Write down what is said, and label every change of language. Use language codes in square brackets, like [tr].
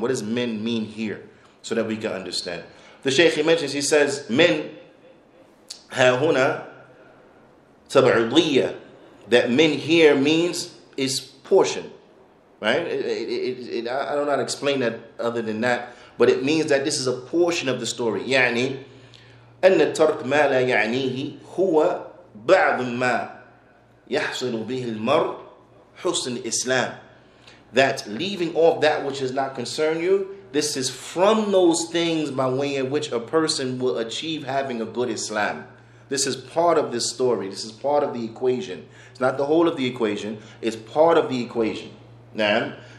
[en] What does min mean here, so that we can understand? The Shaykh, he mentions, he says min ha huna tab'udiyya, that min here means is portion, right? I don't know how to explain that other than that. But it means that this is a portion of the story. [ar] يعني أن ترك ما لا يعنيه هو بعض ما يحصل به المرء حسن الإسلام. [en] That leaving off that which does not concern you, this is from those things by way in which a person will achieve having a good Islam. This is part of this story. This is part of the equation. It's not the whole of the equation. It's part of the equation. نعم.